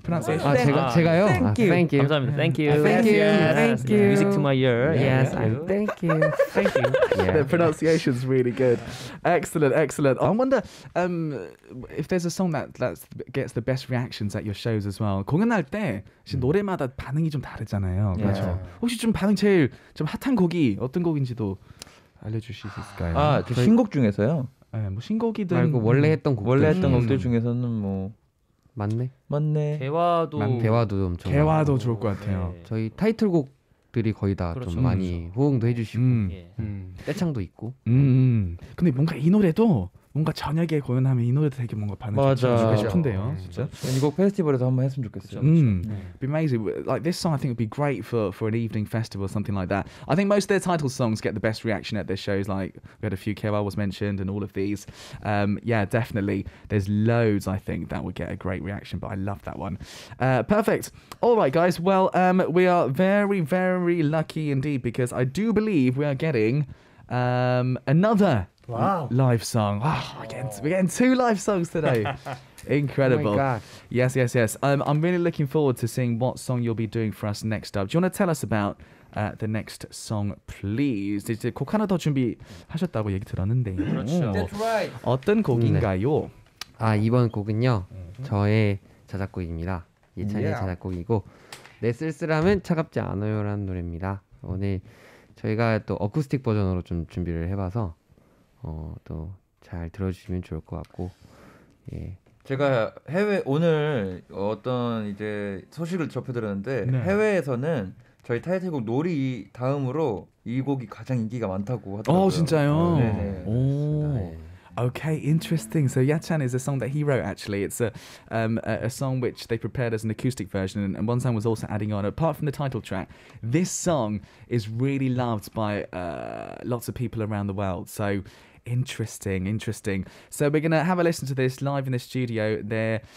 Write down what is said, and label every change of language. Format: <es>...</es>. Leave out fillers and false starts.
<en>pronunciation.</en> <ko>아, 제가요?</ko> <en>Thank you. Thank you.</en> <ko>감사합니다.</ko> <en>Thank you. Thank you. Thank you. Yes. Thank you. Music to my ear. Yes. Thank you. Thank you. Yeah. The pronunciation's really good. Excellent. Excellent. I wonder if there's a song that gets the best reactions at your shows as well.</en> <ko>공연할 때 노래마다 반응이 좀 다르잖아요. 그렇죠. 혹시 좀 반응 제일 좀 핫한 곡이 어떤 곡인지도 알려주실 수 있을까요? 아, 그 저희... 신곡 중에서요? 네, 뭐 신곡이든 말고 원래 했던 곡들, 원래 했던 곡들 중에서는 뭐 맞네, 맞네. 대화도 대화도 좀 좋고, 대화도 좋을 것 같아요. 네. 저희 타이틀곡들이 거의 다 좀 그렇죠. 많이 호응도 해주시고 떼창도 있고. 근데 뭔가 이 노래도 뭔가 저녁에 공연하면 이 노래도 되게 뭔가 반응이 좋고 싶은데요. 진짜 이곡 페스티벌에서 한번 했으면 좋겠어요. 네.</ko> <en>Be amazing. Like this song, I think would be great for an evening festival, something like that. I think most of their title songs get the best reaction at their shows. Like we had a few KOL was mentioned and all of these. Yeah, definitely. There's loads. I think that would get a great reaction. But I love that one. Perfect. All right, guys. Well, we are very, very lucky indeed because I do believe we are getting another. Wow. Live song. Oh, we're getting two live songs today. Incredible. Oh my God. Yes, yes, yes. I'm really looking forward to seeing what song you'll be doing for us next up. Do you want to tell us about the next song, please?</en> <ko>이제 곡 하나 더 준비하셨다고 얘기 들었는데. 그렇죠.</ko> <en>That's right.</en> <ko>어떤 곡인가요? 아, 이번 곡은요. 저의 자작곡입니다. 예찬이의 yeah. 자작곡이고 내 쓸쓸함은 차갑지 않아요라는 노래입니다. 오늘 저희가 또 어쿠스틱 버전으로 좀 준비를 해봐서 또 잘 들어주시면 좋을 것 같고, 예. 제가 해외 오늘 어떤 이제 소식을 접해드렸는데 네. 해외에서는 저희 타이틀곡 놀이 다음으로 이 곡이 가장 인기가 많다고 하더라고요. 오, 진짜요? 네. 오. 네.</ko> <en>Okay, interesting. So Yachan is a song that he wrote, actually. It's a song which they prepared as an acoustic version, and Wonsang was also adding on. Apart from the title track, this song is really loved by lots of people around the world. So interesting, interesting. So we're going to have a listen to this live in the studio there.</en>